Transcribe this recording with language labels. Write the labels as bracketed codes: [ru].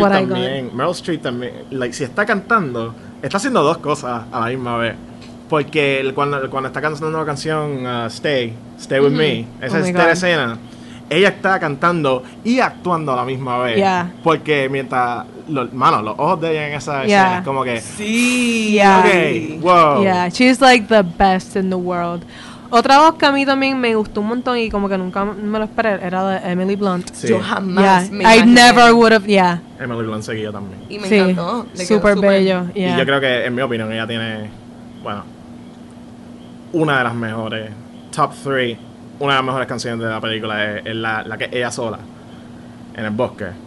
[es] Meryl Streep también, like, si está cantando, está haciendo dos cosas a la misma vez. Porque cuando está cantando la canción Stay With Me, esa escena, ella está cantando y actuando a la misma vez. Yeah. Porque mientras, los ojos de ella en esa escena es como que... Sí, okay, wow. [en] Yeah, she's like the best in the world. [es] Otra voz que a mí también me gustó un montón y como que nunca me lo esperé era la de Emily Blunt. Sí. Yo jamás me imaginé. [en] I never would have, [es] Emily Blunt seguía también. Y me encantó. Súper bello. Yeah. Y yo creo que, en mi opinión, ella tiene, bueno, una de las mejores, [en] top three, [es] una de las mejores canciones de la película es la que ella sola, en el bosque.